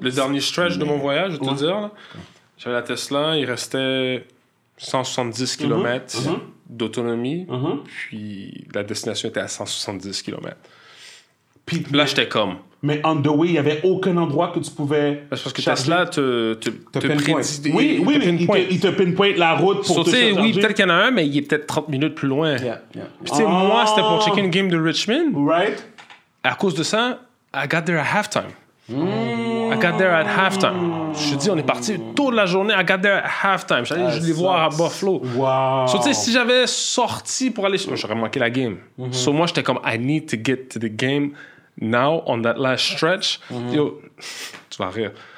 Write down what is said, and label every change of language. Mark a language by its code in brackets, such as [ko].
[fr] Le dernier stretch de mon voyage, je vais te dire, là, j'avais la Tesla, il restait 170 km d'autonomie, puis la destination était à 170 km. Puis là, j'étais comme... Mais on the way, il n'y avait aucun endroit que tu pouvais... Parce que charger. Tesla te pinpoint. Il te pinpoint la route pour te charger. Oui, peut-être qu'il y en a un, mais il est peut-être 30 minutes plus loin. [en] Yeah. [fr] Puis moi, c'était pour checker une game de Richmond. [en] Right. À cause de ça, I got there at halftime. I got there at halftime. [fr] Je te dis, on est parti toute la journée. [en] I got there at halftime. J'allais les voir à Buffalo. Wow. [fr] Si j'avais sorti pour aller... J'aurais manqué la game. So moi, j'étais comme, I need to get to the game... [en] Now, on that last stretch, yo, tu vas rire.